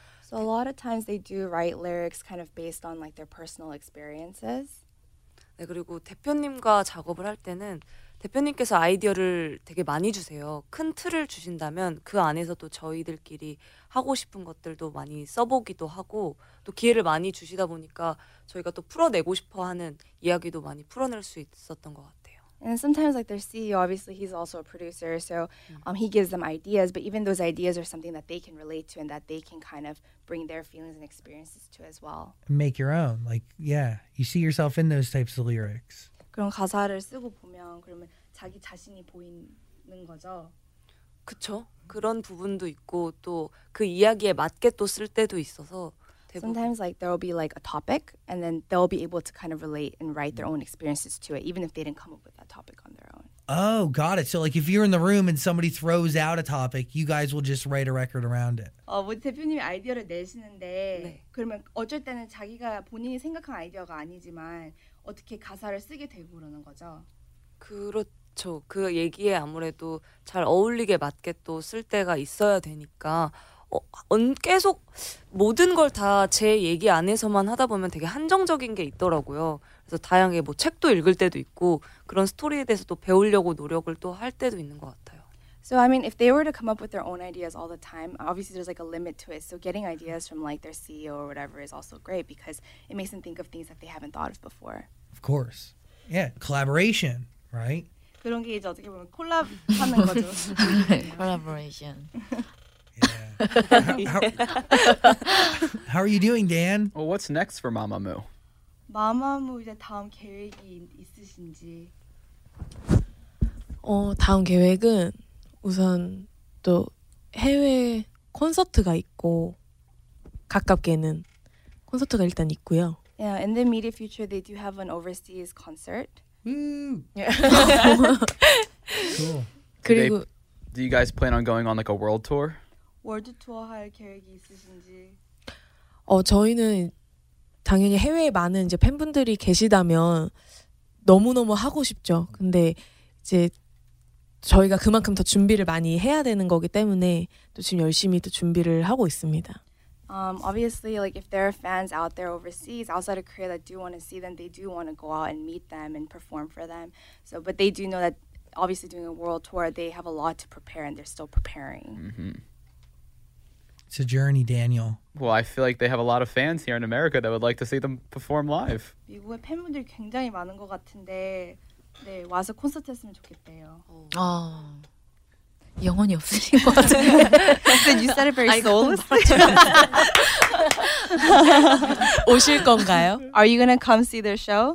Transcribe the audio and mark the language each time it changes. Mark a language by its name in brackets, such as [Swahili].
[English] So a lot of times they do write lyrics kind of based on like their personal experiences. [Korean] 네, 그리고 대표님과 작업을 할 때는 대표님께서 아이디어를 되게 많이 주세요. 큰 틀을 주신다면 그 안에서 또 저희들끼리 하고 싶은 것들도 많이 써보기도 하고 또 기회를 많이 주시다 보니까 저희가 또 풀어내고 싶어 하는 이야기도 많이 풀어낼 수 있었던 것 같아요. [English] And sometimes like their CEO, obviously he's also a producer, so he gives them ideas, but even those ideas are something that they can relate to and that they can kind of bring their feelings and experiences to as well. Make your own. Like, yeah, you see yourself in those types of lyrics. [Korean] 그런 가사를 쓰고 보면 그러면 자기 자신이 보이는 거죠? 그쵸. 그런 부분도 있고 또 그 이야기에 맞게 또 쓸 때도 있어서 [English] Sometimes like there will be like a topic and then they'll be able to kind of relate and write their own experiences to it even if they didn't come up with that topic on their own. Oh, got it. So like if you're in the room and somebody throws out a topic, you guys will just write a record around it. [Korean] 뭐 대표님이 아이디어를 내시는데 네. 그러면 어쩔 때는 자기가 본인이 생각한 아이디어가 아니지만 어떻게 가사를 쓰게 되고 그러는 거죠? 그렇죠. 그 얘기에 아무래도 잘 어울리게 맞게 또 쓸 때가 있어야 되니까 계속 모든 걸 다 제 얘기 안에서만 하다 보면 되게 한정적인 게 있더라고요. 그래서 다양하게 뭐 책도 읽을 때도 있고 그런 스토리에 대해서 또 배우려고 노력을 또 할 때도 있는 것 같아요. [English] So I mean, if they were to come up with their own ideas all the time, obviously there's like a limit to it. So getting ideas from like their CEO or whatever is also great because it makes them think of things that they haven't thought of before. Of course. Yeah, collaboration, right? [Korean] 그런 게 이제 어떻게 보면 콜라보하는 거죠. [English] Collaboration. Yeah. How are you doing, Dan? Well, what's next for Mamamoo? [Korean] Mamamoo 이제 다음 계획이 있으신지. 다음 계획은 우선 또 해외 콘서트가 있고 가깝게는 콘서트가 일단 있고요. [English] Yeah, in the immediate future, they do have an overseas concert. Cool. [Korean] 그리고 [English] do you guys plan on going on like a world tour? [Korean] 월드 투어 할 계획이 있으신지? 저희는 당연히 해외에 많은 이제 팬분들이 계시다면 너무 너무 하고 싶죠. 근데 이제 저희가 그만큼 더 준비를 많이 해야 되는 거기 때문에 또 지금 열심히 또 준비를 하고 있습니다. [English] Obviously, like if there are fans out there overseas, outside of Korea that do want to see them, they do want to go out and meet them and perform for them. So, but they do know that obviously doing a world tour, they have a lot to prepare and they're still preparing. It's a journey, Daniel. Well, I feel like they have a lot of fans here in America that would like to see them perform live. [Korean] 미국에 팬분들 굉장히 많은 것 같은데. 네, 와서 콘서트 했으면 좋겠대요. 영혼이 없으신 것 같아요. [English] You said it very soulless. [Korean] 오실 건가요? [English] Are you gonna come see their show?